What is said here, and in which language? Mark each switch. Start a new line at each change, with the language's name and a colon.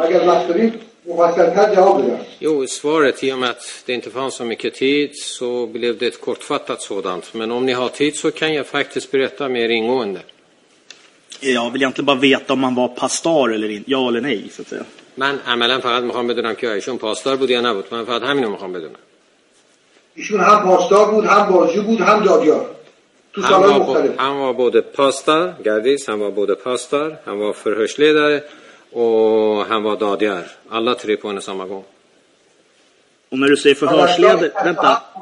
Persian: اگر وقت داریم مفصل‌تر جواب بدم.
Swedish: Jo, svaret i och med att det inte fanns så mycket tid så blev det ett kortfattat sådant. Men om ni har tid så kan jag faktiskt berätta mer ingående. Jag vill egentligen bara veta om han var pastor eller inte, ja eller nej så att säga.
Persian: Men amelan فقط میخوام بدونم که ایشون پاستور بود یا نبود. من فقط همین رو میخوام بدونم. ایشون هم پاستور بود، هم بازجو بود، هم دادیار. تو سالن مختلف.
Swedish: هم var både pastor, gardis, han var både pastor, han var förhörsledare och han var dadiar. Alla tre på en och samma gång. Och när du säger förhörsledare, vänta.